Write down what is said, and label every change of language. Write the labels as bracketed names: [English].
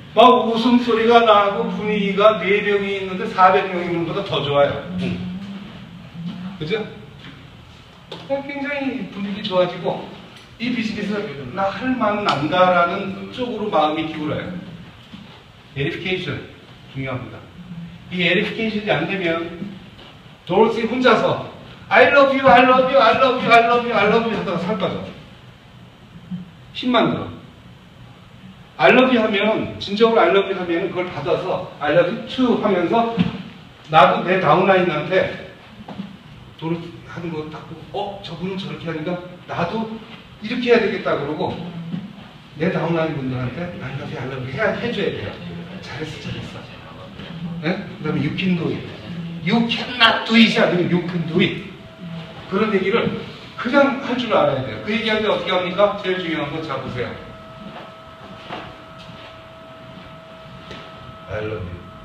[Korean] 막 웃음소리가 나고 분위기가 4명이 있는데 400명이 있는 것보다 더 좋아요. 그죠? 굉장히 분위기 좋아지고 이 비즈니스 나 할 만 난다라는 쪽으로 마음이 기울어요. edification 중요합니다. 이 edification이 안 되면 도로시 혼자서 [English] I love you, I love you, I love you, I love you, I love you [Korean] 하다가 살 빠져. 10만 들어. [English] I love you [Korean] 하면 진정으로 I love you 하면 그걸 받아서 [English] I love you too [Korean] 하면서 나도 내 다운라인한테 도로시 하는 거 딱 보고 어? 저분은 저렇게 하니까 나도 이렇게 해야 되겠다 그러고 내 다운라인 분들한테 알라뷰 알라뷰 해줘야 돼요. 잘했어 잘했어. 네? 그 다음에 [English] you can do it. You cannot do it이 [Korean] 아니면 [English] you can do it. [Korean] 그런 얘기를 그냥 할 줄 알아야 돼요. 그 얘기할 때 어떻게 합니까? 제일 중요한 거 잘 보세요. [English] I love you.